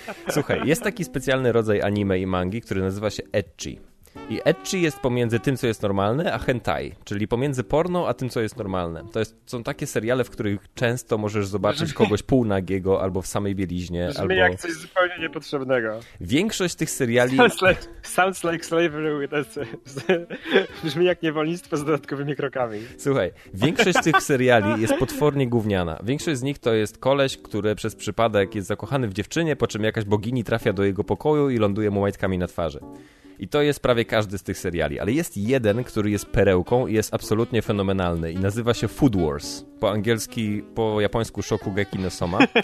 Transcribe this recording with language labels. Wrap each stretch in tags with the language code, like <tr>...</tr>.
<pl>Słuchaj, jest taki specjalny rodzaj anime i mangi, który nazywa się ecchi. I ecchi jest pomiędzy tym, co jest normalne, a hentai, czyli pomiędzy porno, a tym, co jest normalne. To są takie seriale, w których często możesz zobaczyć kogoś półnagiego albo w samej bieliźnie. Brzmi jak coś zupełnie niepotrzebnego. Większość tych seriali...</pl> <en>Sounds like slavery with ecchi.</en> <pl>Brzmi jak niewolnictwo z dodatkowymi krokami. Słuchaj, większość tych seriali jest potwornie gówniana. Większość z nich to jest koleś, który przez przypadek jest zakochany w dziewczynie, po czym jakaś bogini trafia do jego pokoju i ląduje mu majtkami na twarzy. I to jest prawie każdy z tych seriali, ale jest jeden, który jest perełką i jest absolutnie fenomenalny i nazywa się Food Wars, po japońsku Shokugeki no Soma.</pl>